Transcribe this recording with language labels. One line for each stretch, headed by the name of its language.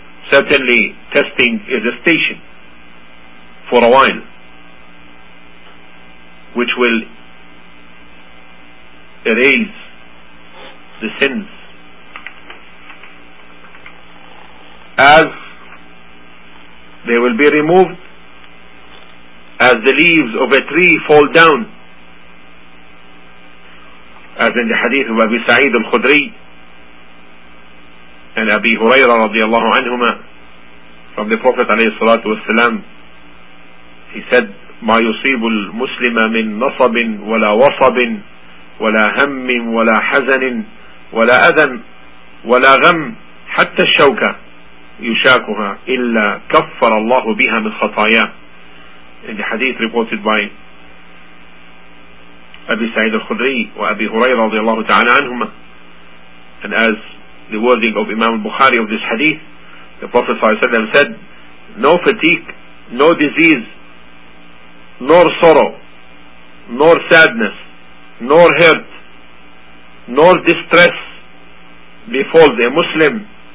English: Certainly, testing is a station for a while, which will erase the sins. As they will be removed, as the leaves of a tree fall down as in the hadith of Abi Sa'id al-Khudri and Abi Huraira radiallahu anhuma from the Prophet alayhi salatu wasalam, he said,
Arabic: ما يصيب المسلم من نصب ولا وصب ولا هم ولا حزن ولا أذى ولا غم حتى الشوكة يشاكها إلا كفر الله بها من خطاياه.
English: In the hadith reported by Abi Sa'id al-Khudri wa Abi Huraira radiallahu ta'ala anhuma, and as the wording of Imam al-Bukhari of this hadith, the Prophet ﷺ said, no fatigue, no disease, nor sorrow, nor sadness, nor hurt, nor distress befalls a Muslim,